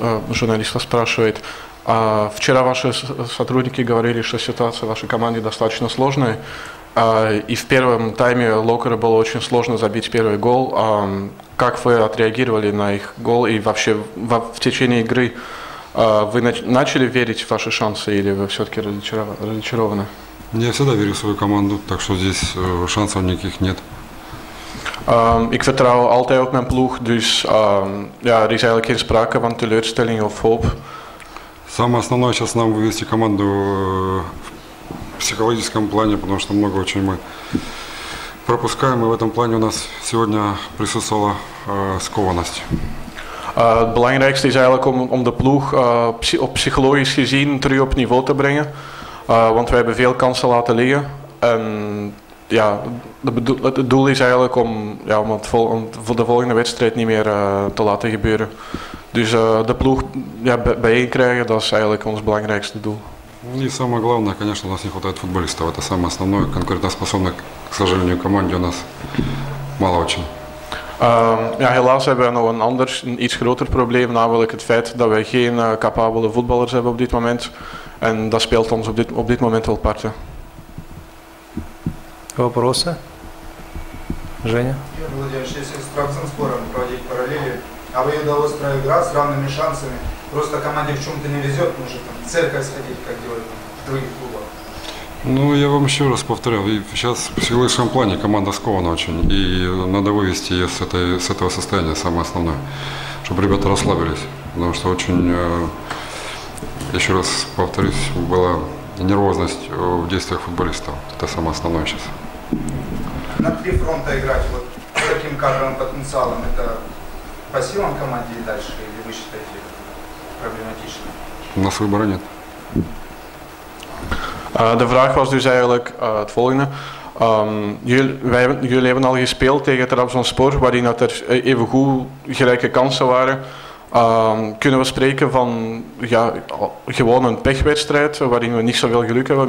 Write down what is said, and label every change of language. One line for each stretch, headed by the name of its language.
Russian: Журналист вас спрашивает, вчера ваши сотрудники говорили, что ситуация в вашей команде достаточно сложная, и в первом тайме Локера было очень сложно забить первый гол. Как вы отреагировали на их гол и вообще в течение игры вы начали верить в ваши шансы или вы все-таки разочарованы? Я всегда верю в свою команду, так что здесь шансов никаких нет.
Dutch: Ik vertrouw altijd op mijn ploeg, dus ja, er is eigenlijk geen sprake van teleurstelling of hoop.
Russian: Самое основное сейчас нам вывести команду в психологическом плане, потому что много очень мы пропускаем, и в этом плане у нас сегодня присутствовала скованность.
Dutch: Het belangrijkste is eigenlijk om de ploeg op psychologisch gezien terug op niveau te brengen, want we hebben veel kansen laten liggen. En ja, het doel is eigenlijk om, ja, om het voor de volgende wedstrijd niet meer te laten gebeuren. Dus de ploeg bijeen krijgen, dat is eigenlijk ons belangrijkste doel. Niet het
Russian: самое главное, конечно, у нас не хватает футболистов. Это самое основное. Конкурентоспособных, к сожалению, команде у нас мало очень.
Dutch: Ja, helaas hebben we nog een iets groter probleem, namelijk het feit dat we geen capabele voetballers hebben op dit moment. En dat speelt ons op dit moment wel parten.
Russian: Вопросы? Женя? Владимир, если с Трабзонспором проводить параллели, а вы удалось проиграть с равными шансами, просто команде в чем-то не везет, может там в церковь сходить, как делают в других клубах? Ну, я вам еще раз повторял, сейчас в силовом плане команда скована очень, и надо вывести ее с этого состояния, самое основное, чтобы ребята расслабились, потому что очень, еще раз повторюсь, была нервозность в действиях футболистов, это самое основное сейчас. На три фронта играть вот с таким кадровым потенциалом, это по силам команде дальше, или вы считаете проблематично? У нас выбора нет.
Dutch: De vraag was dus eigenlijk het volgende. Jullie hebben al gespeeld tegen Trabzonspor, waarin dat er even goed gelijke kansen waren. Kunnen we spreken van ja, gewoon een pechwedstrijd waarin we niet zoveel geluk hebben?